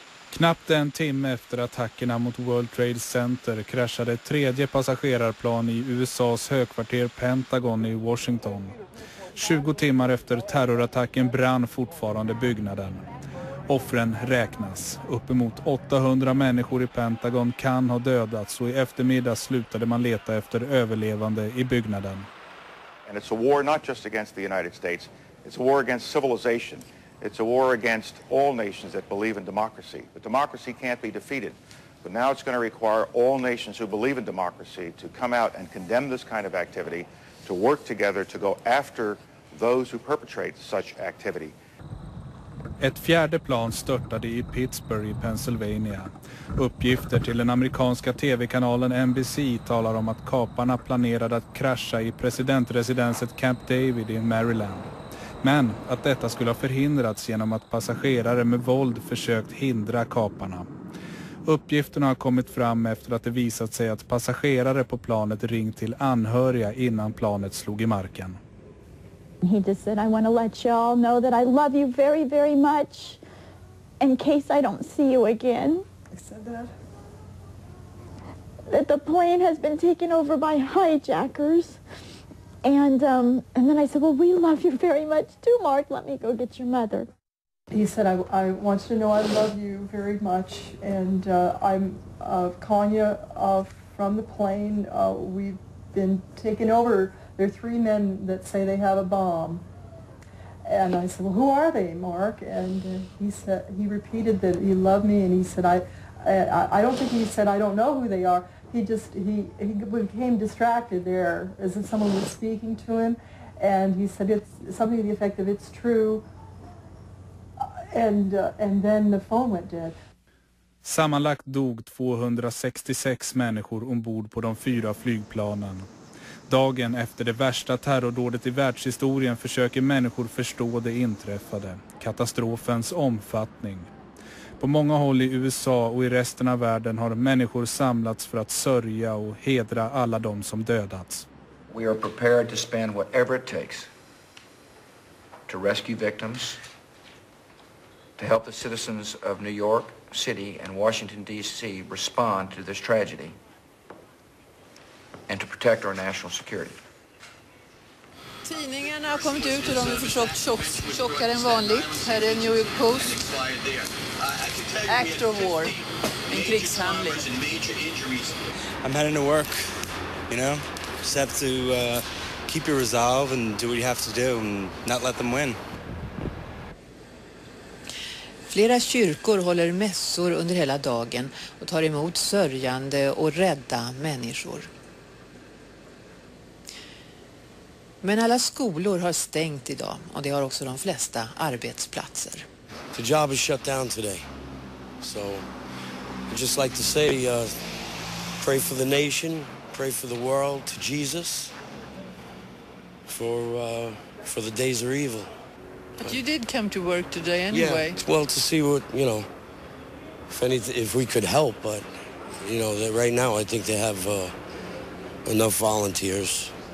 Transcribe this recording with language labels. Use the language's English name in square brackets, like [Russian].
[Swedish] Knappt en timme efter attackerna mot World Trade Center kraschade ett tredje passagerarplan i USA:s högkvarter Pentagon i Washington. 20 timmar efter terrorattacken brann fortfarande byggnaden. Offren räknas. Uppemot 800 människor i Pentagon kan ha dödats, och i eftermiddag slutade man leta efter överlevande i byggnaden. [English] And it's a war not just against the United States. It's a war against civilization. It's a war against all nations that believe in democracy. But democracy can't be defeated. But now it's going to require all nations who believe in democracy to come out and condemn this kind of activity, to work together to go after those who perpetrate such activity. [Swedish] Ett fjärde plan störtade i Pittsburgh i Pennsylvania. Uppgifter till den amerikanska tv-kanalen NBC talar om att kaparna planerade att krascha i presidentresidenset Camp David i Maryland. Men att detta skulle ha förhindrats genom att passagerare med våld försökt hindra kaparna. Uppgifterna har kommit fram efter att det visat sig att passagerare på planet ringt till anhöriga innan planet slog i marken. [English] He just said, I want to let you all know that I love you very, very much in case I don't see you again. I said that. That the plane has been taken over by hijackers. And then I said, well, we love you very much too, Mark. Let me go get your mother. He said, I want you to know I love you very much. And I'm calling you from the plane. We've been taken over. There are three men that say they have a bomb. And I said, well, who are they, Mark? And he repeated that he loved me. And he said, I don't think he said, I don't know who they are. He became distracted there as if someone was speaking to him. And he said, it's something to the effect of, it's true. And then the phone went dead. [Swedish] Sammanlagt dog 266 människor ombord på de fyra flygplanen. Dagen efter det värsta terrordådet i världshistorien försöker människor förstå det inträffade, katastrofens omfattning. På många håll i USA och i resten av världen har människor samlats för att sörja och hedra alla de som dödats. [English] We are prepared to spend whatever it takes to rescue victims, to help the citizens of New York City and Washington D.C. respond to this tragedy. And to protect our national security. [Swedish] Tidningarna har kommit ut och de har försökt tjockare än vanligt. Här är New York Post. [English] Act of war. [Swedish] En krigshandling. [English] I'm heading to work, you know? Just have to keep your resolve and do what you have to do and not let them win. [Swedish] Flera kyrkor håller mässor under hela dagen och tar emot sörjande och rädda människor. Men alla skolor har stängt idag och det har också de flesta arbetsplatser. [English] The job is shut down today. So I'd just like to say pray for the nation, pray for the world, to Jesus for the days are evil. But you did come to work today anyway. Yeah, well, to see what, you know, if we could help, but you know, that right now I think they have enough volunteers.